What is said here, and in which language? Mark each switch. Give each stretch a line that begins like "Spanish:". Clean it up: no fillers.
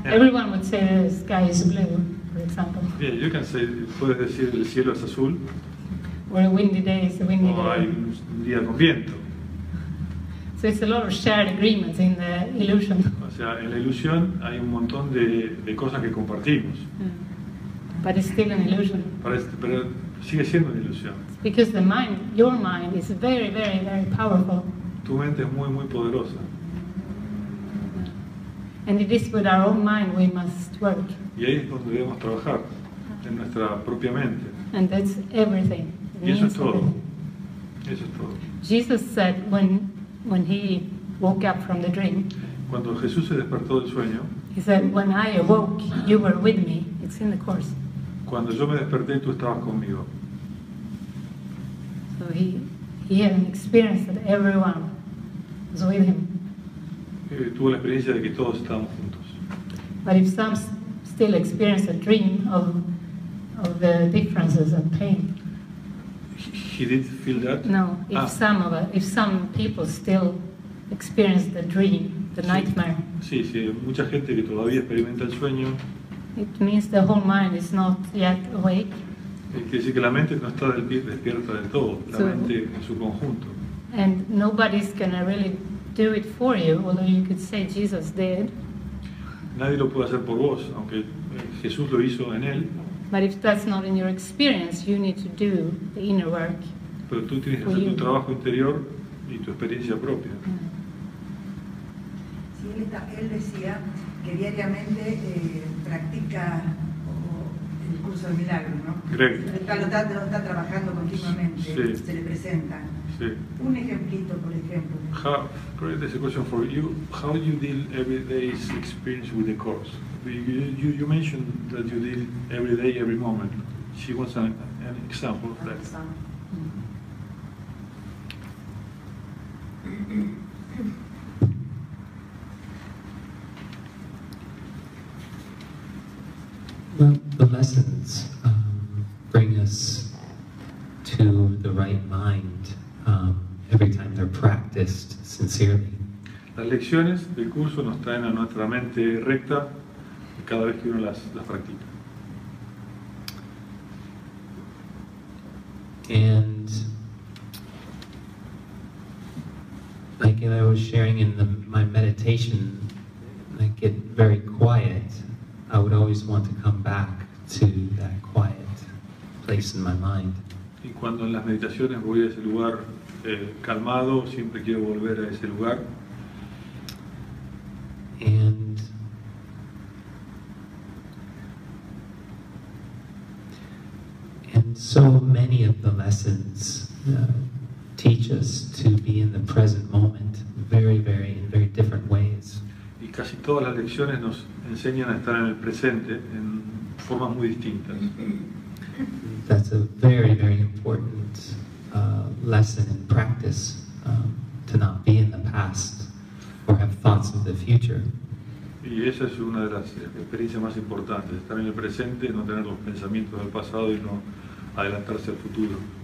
English: Everyone would say the sky is blue, for example. Yeah, you can say,
Spanish: puedes decir el cielo es azul.
English: Or a windy day is a windy day.
Spanish: O hay un día con viento.
English: So it's a lot of shared agreements in the illusion.
Spanish: O sea, en la ilusión hay un montón de cosas que compartimos.
English: But it's still an illusion.
Spanish: Pero sigue siendo una ilusión.
English: Because the mind, your mind, is very, very, very powerful.
Spanish: Tu mente es muy, muy poderosa.
English: And it is with our own mind we must work.
Spanish: Y ahí es donde debemos trabajar, en nuestra propia mente.
English: And that's everything.
Spanish: Y eso es todo.
English: Everything.
Spanish: Eso es todo.
English: Jesus said when he woke up from the dream.
Spanish: Cuando Jesús se despertó del sueño.
English: He said, when I awoke, you were with me. It's in the course.
Spanish: Cuando yo me desperté, tú estabas conmigo.
English: So he had an experience that everyone was with him.
Spanish: Tuvo la experiencia de que todos estábamos juntos.
English: But if some still experience a dream of the differences and pain. He did feel that? No, if some people still experience the dream, the nightmare.
Spanish: Sí, mucha gente que todavía experimenta el sueño.
English: It means the whole mind is not yet awake.
Spanish: Quiere decir que la mente no está despierta del todo, la mente en su conjunto.
English: And nobody's gonna really do it for you, although you could say Jesus did.
Spanish: Nadie lo puede hacer por vos, aunque Jesús lo hizo en él.
English: But if that's not in your experience, you need to do the inner work.
Spanish: Pero tú tienes que hacer tu trabajo interior y tu experiencia propia. Sí, evangelista, él decía que diariamente practica el curso del milagro, ¿no? Lo está trabajando continuamente, sí. Se le presenta. Sí. Un ejemplito, por ejemplo.
English: There's a question for you. How do you deal every day's experience with the course? You mentioned that you deal every day, every moment. She wants an example of that. Mm-hmm. Well, the lessons bring us to the right mind every time they're practiced sincerely.
Spanish: Las lecciones del curso nos traen a nuestra mente recta cada vez que uno las practica.
English: And like I was sharing in my meditation, I get very quiet. I would always want to come back to that quiet place in my mind.
Spanish: Y cuando en las meditaciones voy a ese lugar calmado, siempre quiero volver a ese lugar.
English: And so many of the lessons teach us to be in the present moment very, very, in very different ways.
Spanish: Y casi todas las lecciones nos enseñan a estar en el presente en formas muy distintas.
English: That's a very, very important lesson in practice, to not be in the past or have thoughts of the future.
Spanish: Y esa es una de las experiencias más importantes, estar en el presente, no tener los pensamientos del pasado y no adelantarse al futuro.